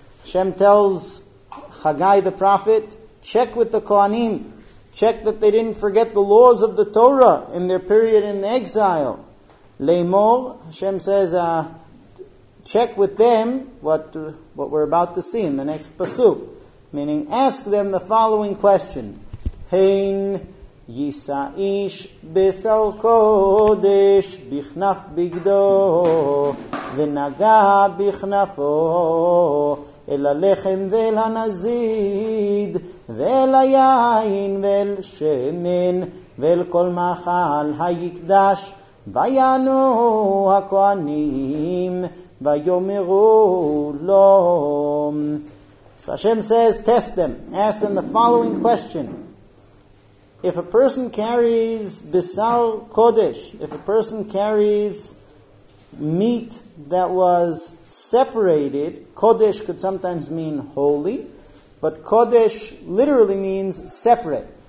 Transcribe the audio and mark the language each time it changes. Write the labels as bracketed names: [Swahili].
[English] Hashem tells Haggai the prophet, check with the Kohanim, check that they didn't forget the laws of the Torah in their period in exile. Le'mor, Hashem says, check with them what we're about to see in the next pasuk, meaning ask them the following question. [Hebrew] Hein yisa'ish besal kodesh bichnaf bigdo v'naga bichnafo אל הלחם ואל הנזיד, ואל היין ואל שמן, ואל כל מאכל היקדש, ויענו הכהנים, ויאמרו לו. [English] So Hashem says, test them. Ask them the following question. If a person carries besal kodesh, if a person carries meat that was separated, kodesh could sometimes mean holy, but kodesh literally means separate.